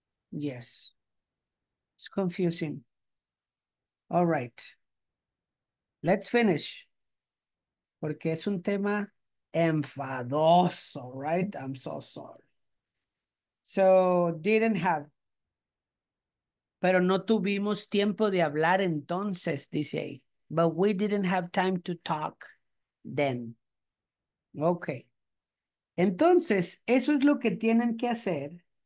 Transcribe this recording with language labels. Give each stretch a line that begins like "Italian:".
English: Yes. It's confusing. All right. Let's finish.
Spanish: Porque es un tema enfadoso, right?
English: I'm so sorry. So, didn't have.
Spanish: Pero no tuvimos tiempo de hablar entonces, dice ahí.
English: But we didn't have time to talk then. Ok.
Spanish: Entonces, eso es lo que tienen que hacer.